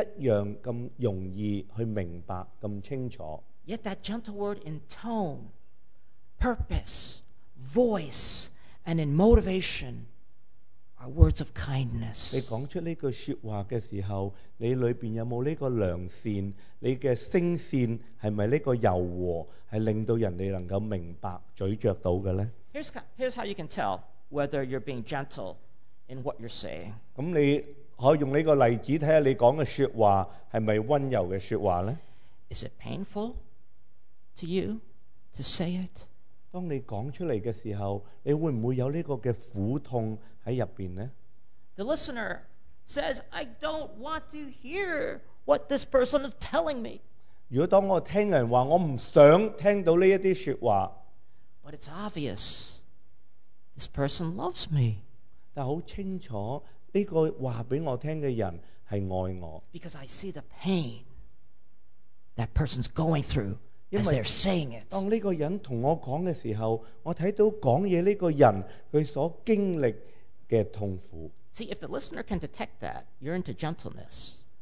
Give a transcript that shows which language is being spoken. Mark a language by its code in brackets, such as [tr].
[zh] 他说当你一个说话是柔和的时候,你好像令到人家去截断骨头,一样那么容易去明白,那么清楚。 [en] Yet that gentle word in tone, purpose, voice, and in motivation are words of kindness. [zh] 你说出这句说话的时候,你里面有没有这个良善? 你的声线是不是这个柔和,是令到人家能够明白,咀嚼到的呢? [en] Here's how you can tell whether you're being gentle in what you're saying. [zh] 那你可以用这个例子看看你说的说话是不是温柔的说话呢? [en] Is it painful? to you to say it? [zh] 当你讲出来的时候, 你会不会有这个苦痛在里面呢? [en] The listener says, I don't want to hear what this person is telling me. [zh] 如果当我听人话, [en] but it's obvious, this person loves me. [zh] 但很清楚, 这个告诉我的人是爱我, [en] because I see the pain that person's going through as they're saying it. [zh] 当这个人跟我讲的时候, 我看到讲话这个人他所经历的痛苦。 [en] See, if the listener can detect that, you're into gentleness.